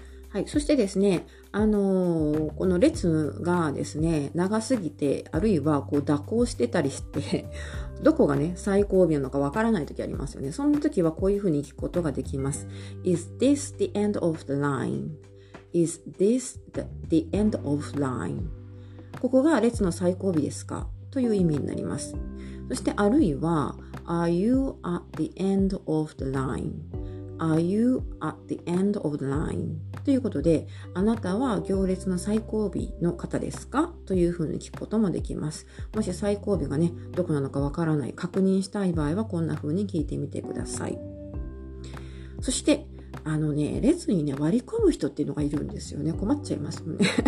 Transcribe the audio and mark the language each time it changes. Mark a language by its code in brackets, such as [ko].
[ja] はい、そしてですね、この列がですね、長すぎて、あるいはこう蛇行してたりして、どこがね、最後尾なのかわからないときありますよね。そんなときはこういうふうに聞くことができます。 [en] Is this the end of the line? Is this the end of line? [ja] ここが列の最後尾ですか?という意味になります。そして、あるいは、 [en] Are you at the end of the line? Are you at the end of the line? [ja] ということで、あなたは行列の最後尾の方ですか? というふうに聞くこともできます。もし最後尾がね、どこなのかわからない、確認したい場合は、こんなふうに聞いてみてください。そして、列にね、割り込む人っていうのがいるんですよね。困っちゃいますもんね。